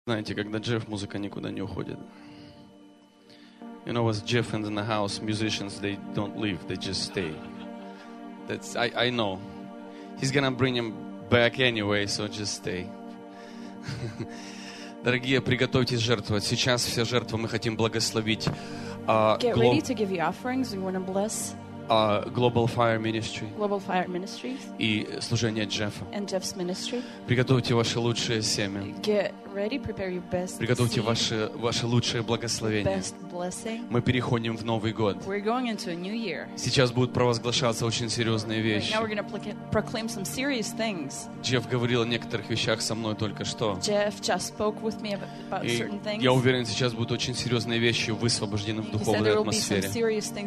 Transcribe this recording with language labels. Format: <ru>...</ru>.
<ru>Знаете, когда Джефф, музыка никуда не уходит.</ru> <en>You know, with Jeff in the house, musicians, they don't leave, they just stay. That's, I know. He's gonna bring him back anyway, so just stay.</en> <ru>Дорогие, приготовьтесь жертвовать. Сейчас все жертвы мы хотим благословить.</ru> <en>Get ready to give you offerings, we wanna bless. Global Fire Ministry. Global Fire Ministry.</en> <ru>И служение Джеффа.</ru> <en>And Jeff's ministry.</en> <ru>Приготовьте ваше лучшее семя.</ru> <en>Get ready, prepare your best.</en> <ru>Приготовьте ваше лучшее благословение.</ru> <en>Best blessing.</en> <ru>Мы переходим в новый год.</ru> <en>We're going into a new year.</en> <ru>Сейчас будут провозглашаться очень серьезные вещи.</ru> <en>Right now we're going to proclaim some serious things.</en> <ru>Джефф говорил о некоторых вещах со мной только что.</ru> <en>Jeff just spoke with me about certain things.</en> <ru>Я уверен, сейчас будут очень серьезные вещи высвобождены в духовной атмосфере.</ru>